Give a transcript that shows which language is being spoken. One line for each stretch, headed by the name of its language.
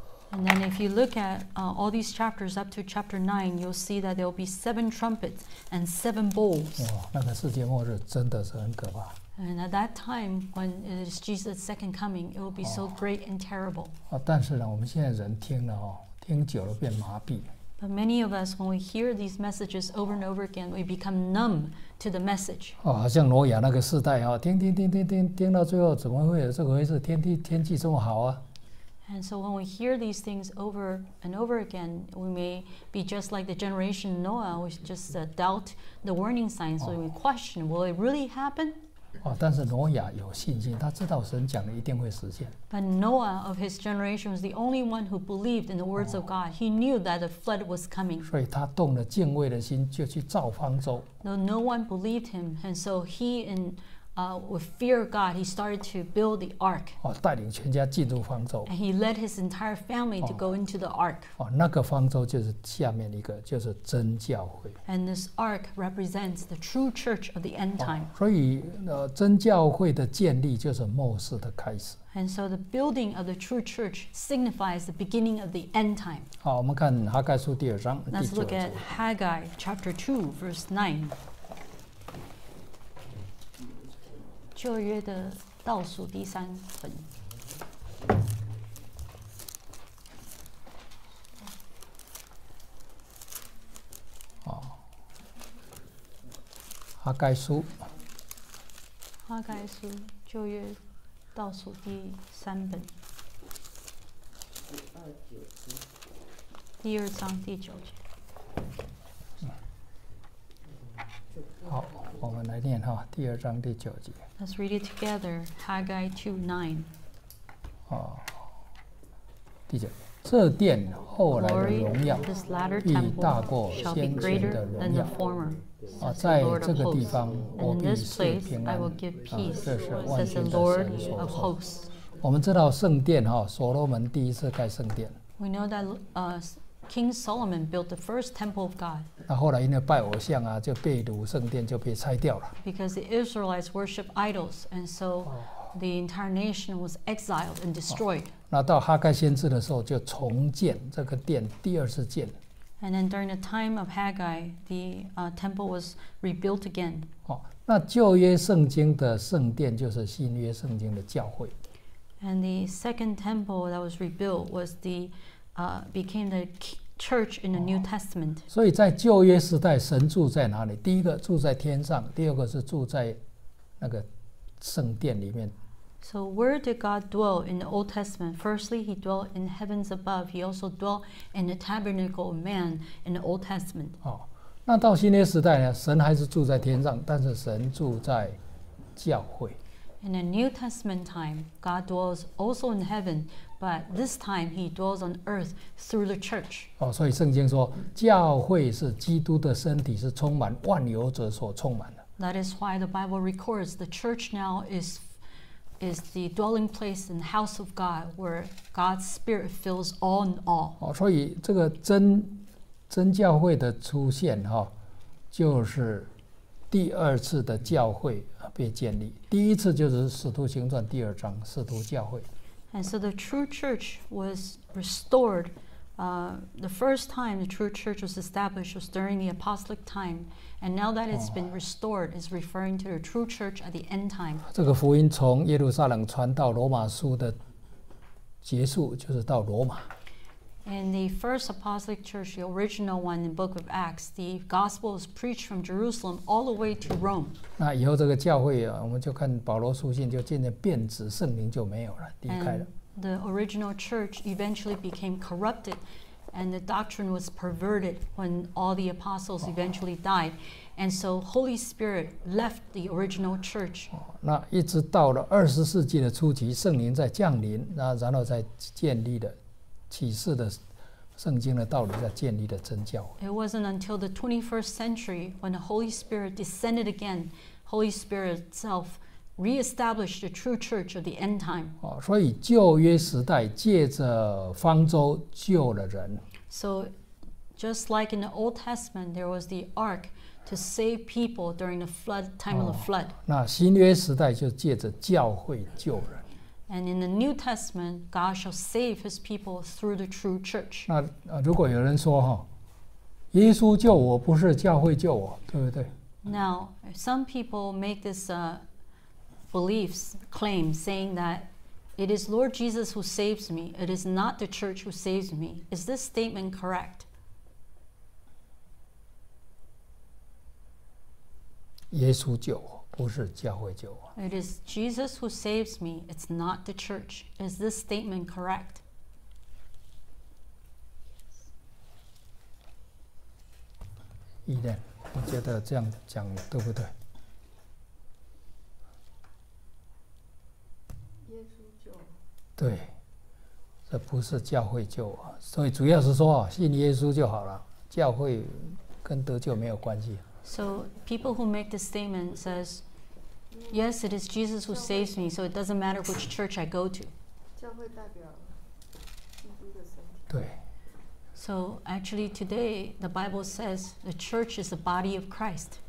English: And then if you look at all these chapters up to chapter 9, you'll see that there will be seven trumpets and seven bowls.
Chinese: 那个世界末日真的是很可怕。
English: And at that time, when it is Jesus' second coming, it will be so great and terrible.
Chinese: 但是呢，我们现在人听了听久了变麻痹。
English: But many of us, when we hear these messages over and over again, we become numb to the message.
Chinese: 好像挪亚那个世代听到最后怎么会有这回事？天气这么好啊！
English: And so when we hear these things over and over again, we may be just like the generation Noah, we just doubt the warning signs, so we question, will it really happen?
Chinese: 但是挪亚有信心，他知道神讲的一定会实现。
English: But Noah of his generation was the only one who believed in the words of God. He knew that the flood was coming.
Chinese: 所以他动了敬畏的心，就去造方舟。
English: Though no one believed him, and so he in with fear of God, he started to build the ark.
Chinese: 带领全家进入方舟。
English: And he led his entire family to go into the ark.
Chinese: 那个方舟就是下面一个，就是真教会。
English: And this ark represents the true church of the end time.
Chinese: 所以真教会的建立就是末世的开始。
English: And so the building of the true church signifies the beginning of the end time.
Chinese: 我们看哈该书第二章。
English: Let's look at Haggai chapter 2, verse 9.
Chinese: 旧约的倒数第三本，哈该书，哈该书旧约倒数第三本，第二章第九节。好，我们来念第二章第九节。
English: Let's read it together, Haggai 2:9.
Chinese: 第九节，这殿后来的荣耀必大过先前的荣耀。在这个地方，我必赐平安。这是万军的神所说。我们知道圣殿所罗门第一次盖圣殿。
English: We know that, King Solomon built the first temple of God.
Chinese: 那后来因为拜偶像就被掳，圣殿就被拆掉了。
English: Because the Israelites worship idols, and so the entire nation was exiled and destroyed.
Chinese: 那到哈该先知的时候，就重建这个殿，第二次建。
English: And then during the time of Haggai, the temple was rebuilt again.
Chinese: 哦，那旧约圣经的圣殿就是新约圣经的教会。
English: And the second temple that was rebuilt was the became the church in the New Testament.
Chinese: 所以在旧约时代，神住在哪里？第一个住在天上，第二个是住在那个圣殿里面。
English: So where did God dwell in the Old Testament? Firstly, he dwelt in heavens above. He also dwelt in the tabernacle of man in the Old Testament.
Chinese: 哦，那到新约时代呢？神还是住在天上，但是神住在教会。
English: In the New Testament time, God dwells also in heaven, but this time he dwells on earth through the church.
Chinese: 哦，所以圣经说，教会是基督的身体，是充满万有者所充满的。
English: That is why the Bible records the church now is the dwelling place and house of God where God's spirit fills all in all.
Chinese: 哦，所以这个真教会的出现哈，就是第二次的教会被建立。第一次就是使徒行传第二章使徒教会。
English: And so the true church was restored. The first time the true church was established was during the apostolic time. And now that it's been restored, is referring to the true church at the end time.
Chinese: 这个福音从耶路撒冷传到罗马书的结束，就是到罗马。
English: In the first apostolic church, the original one in the book of Acts, the gospel is preached from Jerusalem all the way to Rome.
Chinese: 那以后这个教会啊，我们就看保罗书信就渐渐变质，圣灵就没有了，离开了。
English: The original church eventually became corrupted, and the doctrine was perverted when all the apostles eventually died. And so Holy Spirit left the original church.
Chinese: 那一直到了二十世纪的初期，圣灵在降临，然后再建立的。启示的圣经的道理在建立的真教会。
English: It wasn't until the 21st century when the Holy Spirit descended again, Holy Spirit itself reestablished the true church of the end time.
Chinese: 哦，所以旧约时代借着方舟救了人。
English: So just like in the Old Testament, there was the ark to save people during the flood time of the flood.
Chinese: 那新约时代就借着教会救人。
English: And in the New Testament, God shall save His people through the true church.
Chinese: 那如果有人说哈，耶稣救我，不是教会救我，对不对
English: ？Now, some people make this beliefs claim, saying that it is Lord Jesus who saves me. It is not the church who saves me. Is this statement correct?
Chinese: 耶稣救我。不是教会救我。
English: It is Jesus who saves me. It's not the church. Is this statement correct?
Chinese: 依恋，你觉得这样讲对不对？耶稣救。对，这不是教会救我，所以主要是说啊，信耶稣就好了，教会跟得救没有关系。
English: So people who make this statement says. Yes, it is Jesus who saves me, so it doesn't matter which church I go to.
Chinese: 教会代表基督的身体。对。
English: So actually, today the Bible says the church is the body of Christ.